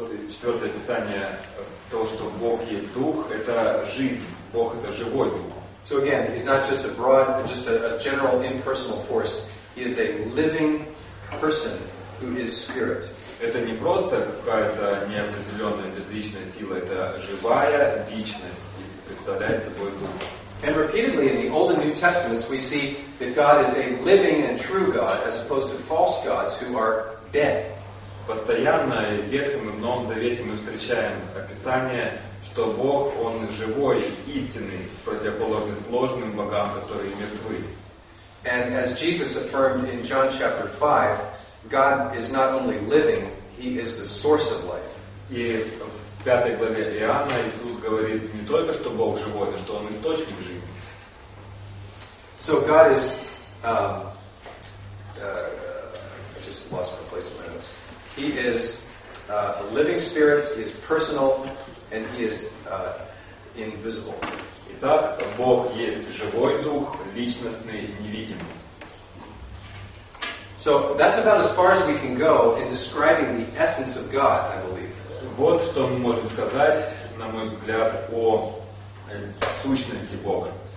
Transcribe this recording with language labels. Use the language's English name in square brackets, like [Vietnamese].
[Russian] Четвертое описание то, что Бог есть Дух, это жизнь. Бог это живой Дух. [English] So again, He's not just a broad, just a general impersonal force. He is a living person who is spirit. [Russian] Это не просто какая-то неопределенная безличная сила, это живая личность, представляет собой Дух. [English] And repeatedly in the Old and New Testaments we see that God is a living and true God as opposed to false gods who are dead. [Russian] Постоянно в Ветхом и в Новом Завете мы встречаем описание, что Бог, Он живой, истинный, противоположность ложным богам, которые мертвы. [English] And as Jesus affirmed in John chapter 5, God is not only living, He is the source of life. [Russian] И в пятой главе Иоанна Иисус говорит не только, что Бог живой, но что Он источник жизни. [English] So God is... I just lost my place in my notes. He is a living spirit, He is personal, and He is invisible. [Russian] Итак, Бог есть живой дух, личностный, невидимый. [English] So that's about as far as we can go in describing the essence of God, I believe. [Russian] Вот что мы можем сказать, на мой взгляд, о сущности Бога.